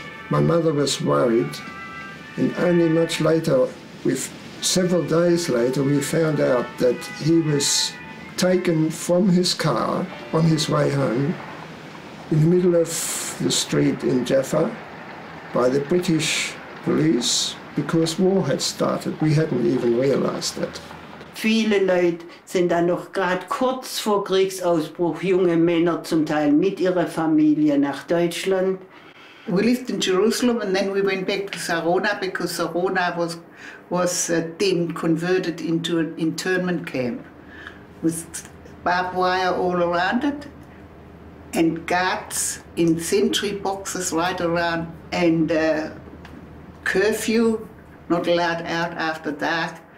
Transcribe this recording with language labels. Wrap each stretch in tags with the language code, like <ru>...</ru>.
<en>My mother was worried, and only much later, several days later, we found out that he was taken from his car on his way home in the middle of the street in Jaffa by the British police because war had started. We hadn't even realized that.</en> <de>Viele Leute sind dann noch gerade kurz vor Kriegsausbruch, junge Männer zum Teil mit ihrer Familie nach Deutschland.</de> <en>We lived in Jerusalem and then we went back to Sarona because Sarona was then converted into an internment camp with barbed wire all around it and guards in sentry boxes right around and curfew, not allowed out after dark.</en>